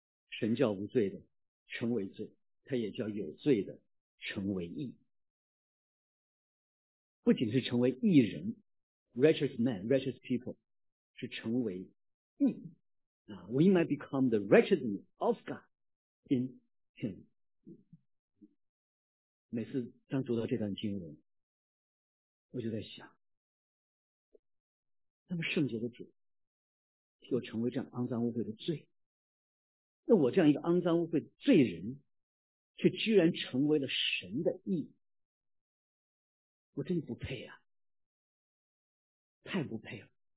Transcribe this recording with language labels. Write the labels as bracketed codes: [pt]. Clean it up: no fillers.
[zh] 神叫无罪的成为罪，他也叫有罪的成为义。不仅是成为义人 righteous man, righteous people, 是成为义。 [en] We might become the righteousness of God in him. [zh] 每次当读到这段经文，我就在想，那么圣洁的主又成为这样肮脏污秽的罪，那我这样一个肮脏污秽的罪人却居然成为了神的义，我真不配啊，太不配了。